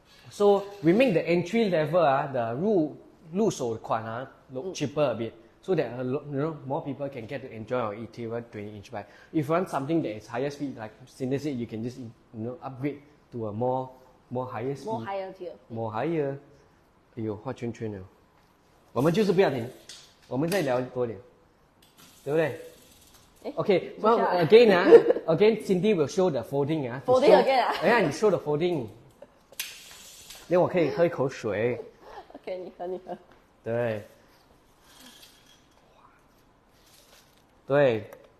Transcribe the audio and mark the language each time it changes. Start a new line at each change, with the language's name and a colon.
English: So we make the entry level, the 入手款, look cheaper a bit, so that more people can get to enjoy our Ethereal 20-inch bike. If you want something that is higher speed, like Cindy said, you can just upgrade to a more higher speed. More higher tier. More higher.
Chinese: 哎呦，画圈圈了。我们就是不要停, 我们再聊多点, 对不对?
English: Okay, well, again, Cindy will show the folding. Folding again? Yeah, you show the folding.
Chinese: 因为我可以喝一口水。 OK, 你喝。对。对。